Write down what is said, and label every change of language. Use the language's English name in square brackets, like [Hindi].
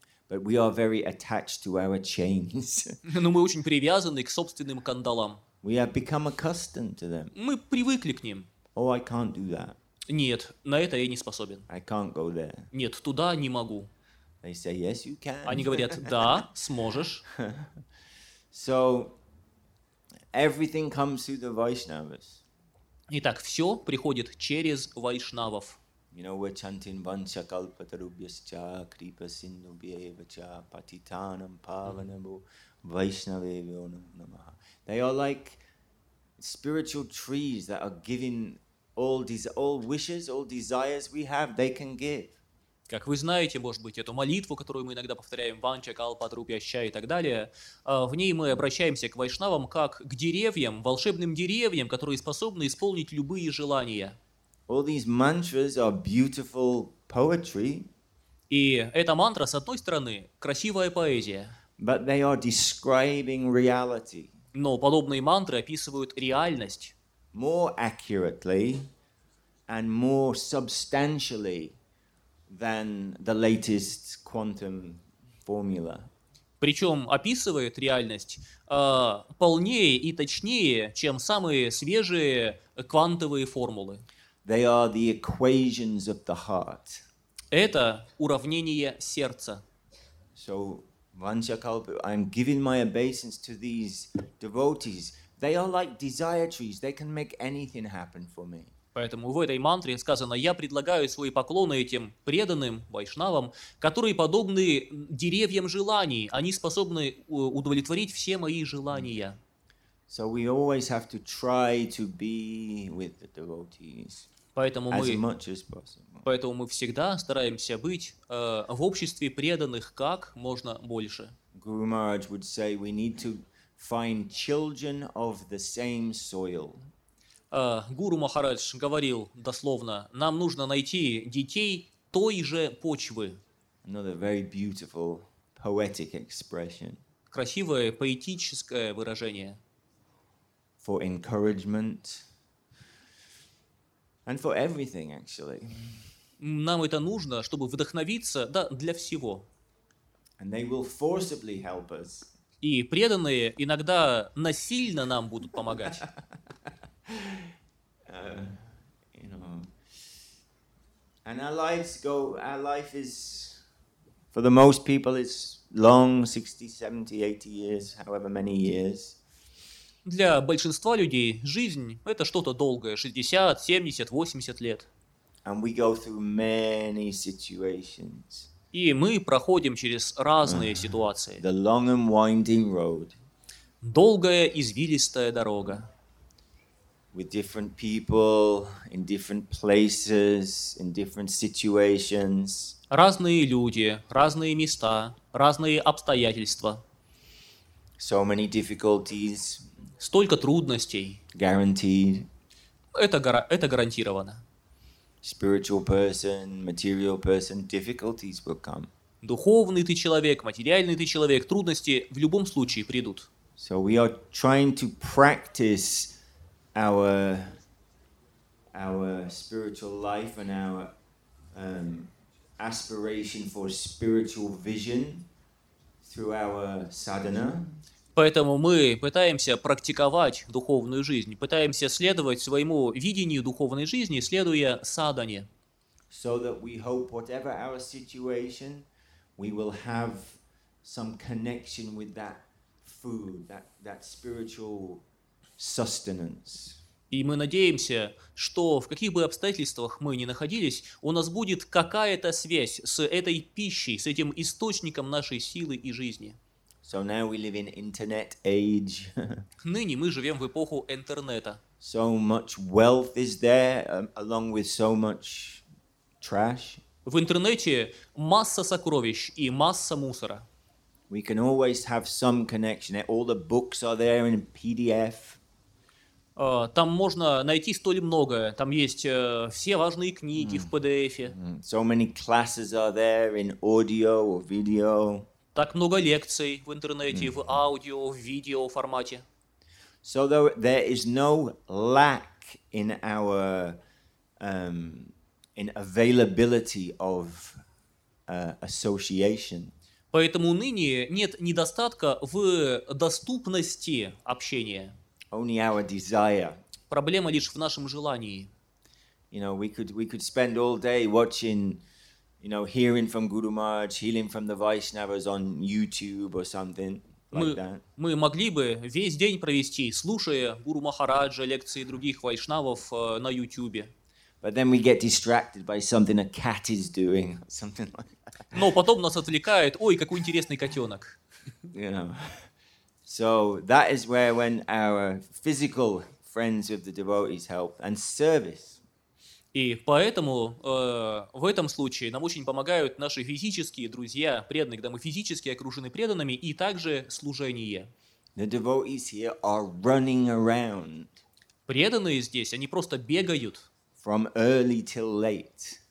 [English] But we are very attached to our chains. [Russian] Но мы очень привязаны к собственным кандалам. [English] We have become accustomed to them. [Russian] Мы привыкли к ним. [English] Oh, I can't do that. [Russian] Нет, на это я не способен. [English] I can't go there. [Russian] Нет, туда не могу. [English] They say, yes, you can. [Russian] Они говорят, да, сможешь. [English] So, everything comes through the Vaishnavas. [Russian] Итак, все приходит через вайшнавов. [English] You know, we're chanting [Sanskrit] Vancha Kalpatarubhyascha Kripa Sindhubhyevacha Patitanam Pavanabhu Vaishnavevyo Namaha. [English] They are like spiritual trees that are giving all these all wishes, all desires we have, they can give. [Russian] Как вы знаете, может быть, эту молитву, которую мы иногда повторяем, Ванча, Калпа, Трупья, Ща и так далее, в ней мы обращаемся к вайшнавам как к деревьям, волшебным деревьям, которые способны исполнить любые желания. [English] All these mantras are beautiful poetry. [Russian] И эта мантра, с одной стороны, красивая поэзия. [English] But they are describing reality. [Russian] Но подобные мантры описывают реальность. [English] More accurately and more substantially than the latest quantum formula. [Russian] Причем описывает реальность полнее и точнее, чем самые свежие квантовые формулы. [English] They are the equations of the heart. [Russian] Это уравнение сердца. [English] So, Vancha Kalpa, I'm giving my obeisance to these devotees. They are like desire trees. They can make anything happen for me. [Russian] Поэтому в этой мантре сказано, я предлагаю свои поклоны этим преданным вайшнавам, которые подобны деревьям желаний. Они способны удовлетворить все мои желания. [English] So we always have to try to be with the devotees as much as possible. [Russian] Поэтому мы всегда стараемся быть в обществе преданных как можно больше. [English] Guru Maharaj would say we need to find children of the same soil. [Russian] Гуру Махарадж говорил дословно, нам нужно найти детей той же почвы. [English] Another very beautiful poetic expression. [Russian] Красивое поэтическое выражение. [English] For encouragement and for everything, actually. [Russian] Нам это нужно, чтобы вдохновиться, да, для всего. [English] And they will forcibly help us. [Russian] И преданные иногда насильно нам будут помогать. [English] And our lives go, our life is, for the most people, it's long, 60, 70, 80 years, however many years. [Russian] для большинства людей жизнь – это что-то долгое, 60, 70, 80 лет. [English] And we go through many situations. [Russian] И мы проходим через разные ситуации. [English] The long and winding road. [Russian] Долгая извилистая дорога. [English] With different people, in different places, in different situations. [Russian] Разные люди, разные места, разные обстоятельства. [English] So many difficulties. [Russian] Столько трудностей. [English] Guaranteed. [Russian] Это гарантировано. [English] Spiritual person, material person, difficulties will come. [Russian] Духовный ты человек, материальный ты человек, трудности в любом случае придут. [English] So we are trying to practice our spiritual life and our aspiration for spiritual vision through our sadhana. [Russian] Поэтому мы пытаемся практиковать духовную жизнь, пытаемся следовать своему видению духовной жизни, следуя садхане. [English] So that we hope whatever our situation, we will have some connection with that food, that spiritual sustenance. [Russian] И мы надеемся, что в каких бы обстоятельствах мы ни находились, у нас будет какая-то связь с этой пищей, с этим источником нашей силы и жизни. [English] So now we live in internet age. [Russian] Ныне мы живем в эпоху интернета. [English] So much wealth is there, along with so much trash. [Russian] В интернете масса сокровищ и масса мусора. [English] We can always have some connection. All the books are there in PDF. [Russian] Там можно найти столь многое. Там есть все важные книги в PDF. [English] So many classes are there in audio or video. [Russian] Так много лекций в интернете, в аудио, в видео формате. [English] So there is no lack in our in availability of association. [Russian] Поэтому ныне нет недостатка в доступности общения. [English] Only our desire. [Russian] Проблема лишь в нашем желании. [English] You know, we could spend all day watching. You know, hearing from Guru Maharaj, hearing from the Vaishnavas on YouTube or something like that. [Russian] Мы могли бы весь день провести, слушая Гуру Махараджа, лекции других вайшнавов на YouTube. [English] But then we get distracted by something a cat is doing, something like that. [Russian] Но потом нас отвлекает, ой, какой интересный котенок. [English] You know, so that is where when our physical friends of the devotees help and service. [Russian] И поэтому в этом случае нам очень помогают наши физические друзья, преданные, когда мы физически окружены преданными, и также служение. [English] The devotees here are running around. [Russian] Преданные здесь, они просто бегают. [English] From early till late.